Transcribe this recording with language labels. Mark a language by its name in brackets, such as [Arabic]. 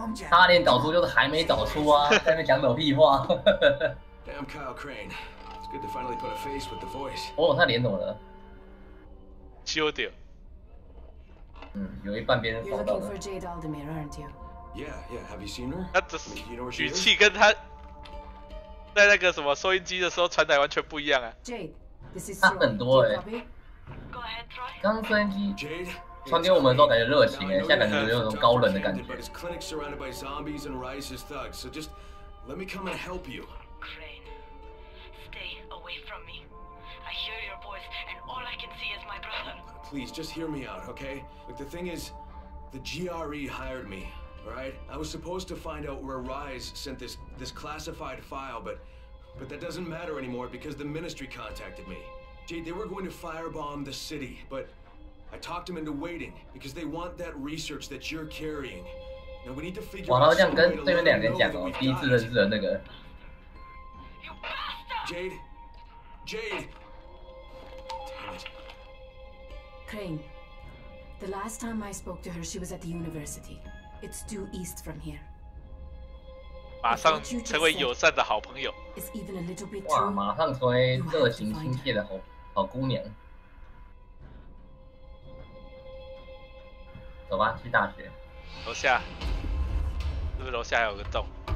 [Chinese] 差点找出，就是还没找出啊，在那讲什么屁话。 [English] Damn Kyle Crane, it's good to finally put a face with the voice. [Chinese] 哦，他脸怎么了？修掉。嗯，有一半边人放到 [English] 了。Yeah, yeah. Have you seen her? [Chinese] 他这语气跟他。在那个什么收音机的时候传达完全不一样啊！差很多哎、欸。刚收音机传给我们的时候感觉热情哎、欸，现在感觉有那种高冷的感觉。 [English] But his clinic surrounded by zombies and Rice's thugs, so just let me come and help you. Crane, stay away from me. I hear your voice, and all I can see is my brother. Please just hear me out, okay? Like the thing is, the GRE hired me. Right, I was supposed to find out where Rise sent this classified file, but that doesn't matter anymore because the ministry contacted me. Jade, they were going to firebomb the city, but I talked them into waiting because they want that research that you're carrying. Now we need to figure out. [Chinese] 哇，然后这样跟对面两个人讲哦，第一次认识的那个。 [English] Jade. Damn it. Crane, the last time I spoke to her, she was at the university. It's due east from here. [Chinese] 马上成为友善的好朋友。哇，马上成为热情亲切的好姑娘。走吧，去大学。楼下，是不是楼下有个洞？